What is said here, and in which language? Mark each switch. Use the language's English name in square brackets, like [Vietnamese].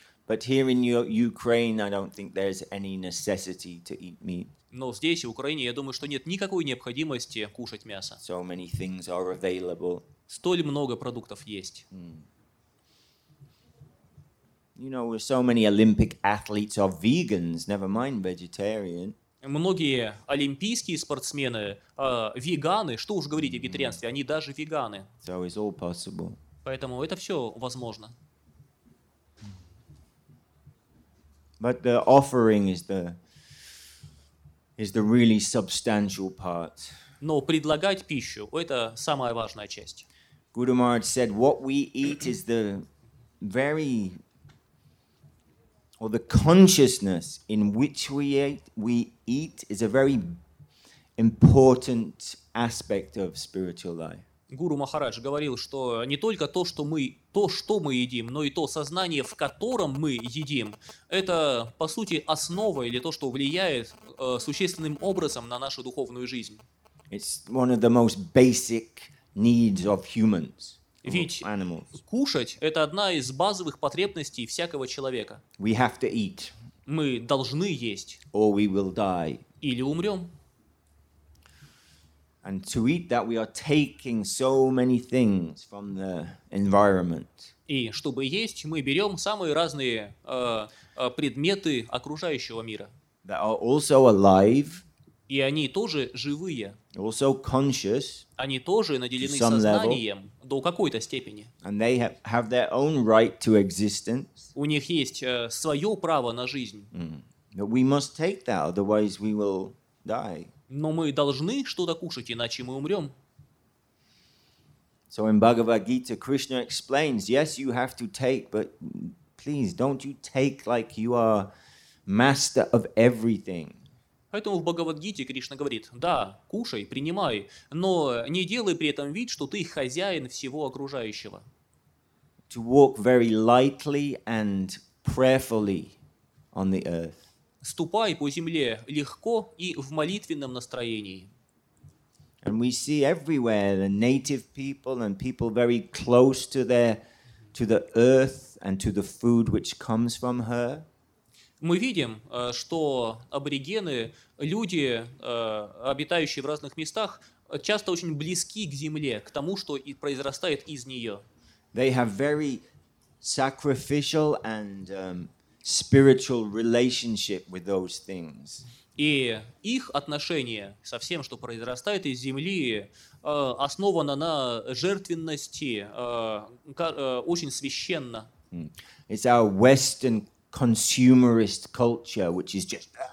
[English] But here in Ukraine, I don't think there's any necessity to eat meat. [Russian] Но здесь, в Украине, я думаю, что нет никакой необходимости кушать мясо. [English] So many things are available. [Russian] Столь много продуктов есть. [English] You know, so many Olympic athletes are vegans, never mind vegetarian. [Russian] Многие олимпийские спортсмены веганы, что уж говорить о вегетарианстве, они даже веганы. [English] So it's all possible. [Russian] Поэтому это все возможно. [English] But the offering is the really substantial part. [Russian] Но предлагать пищу – это самая важная часть. [English] Guru Maharaj said, what we eat is the very... Or the consciousness in which we eat is a very important aspect of spiritual life. [Russian] Гуру Махарадж говорил, что не только то, что мы едим, но и то сознание, в котором мы едим, это по сути основа или то, что влияет существенным образом на нашу духовную жизнь. [English] It's one of the most basic needs of humans. [Russian] Ведь [English] animals. [Russian] Кушать – это одна из базовых потребностей всякого человека. [English] We have to eat. [Russian] Мы должны есть. [English] Or we will die. [Russian] Или умрем. [English] And to eat that, we are taking so many things from the environment. [Russian] И чтобы есть, мы берем самые разные предметы окружающего мира. [English] That are also alive. [Russian] И они тоже живые. [English] Also conscious. [Russian] Они тоже наделены сознанием. До какой-то степени. [English] And they have their own right to existence. [Russian] У них есть свое право на жизнь. [English] But we must take that, otherwise we will die. [Russian] Но мы должны что-то кушать, иначе мы умрем. [English] So in Bhagavad Gita, Krishna explains, yes, you have to take, but please, don't you take like you are master of everything. [Russian] Поэтому в Бхагавад-гите Кришна говорит, да, кушай, принимай, но не делай при этом вид, что ты хозяин всего окружающего. [English] To walk very lightly and prayerfully on the earth. [Russian] Ступай по земле легко и в молитвенном настроении. [English] And we see everywhere the native people and people very close to the earth and to the food which comes from her. [Russian] Мы видим, что аборигены, люди, обитающие в разных местах, часто очень близки к земле, к тому, что и произрастает из нее. [English] They have very sacrificial and spiritual relationship with those things. [Russian] И их отношение со всем, что произрастает из земли, основано на жертвенности, очень священно. [English] It's our Western consumerist culture, which is just